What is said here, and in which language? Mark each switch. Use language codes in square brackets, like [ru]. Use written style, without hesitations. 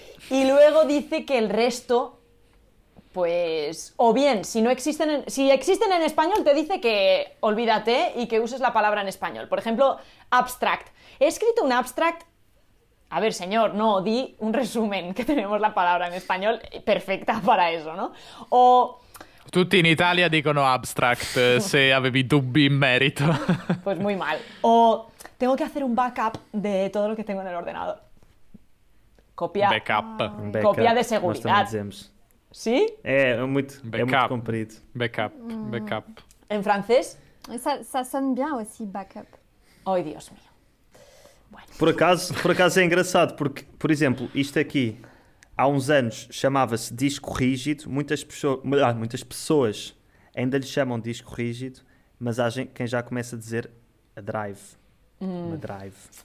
[es] Y luego dice que el resto, pues. O bien, si no existen. Si existen en español, te dice que olvídate y que uses la palabra en español. Por ejemplo, abstract. He escrito un abstract. A ver, señor, no, di un resumen, que tenemos la palabra en español perfecta para eso, ¿no? O... [it] Tutti in Italia dicono abstract, se avevi dubbi in merito. [es] Pues muy mal. O tengo que hacer un backup de todo lo que tengo en el ordenador. Copia. Backup. Copia de seguridad. ¿Sí? [pt] Muy comprido. [es] Backup. Backup. ¿En francés? [fr] Ça sonne bien aussi, backup. [es] Ay, Dios mío. [pt] Por acaso é engraçado, porque, por exemplo, isto aqui, há uns anos chamava-se disco rígido, muitas pessoas ainda lhe chamam disco rígido, mas há quem já começa a dizer a drive, uma drive.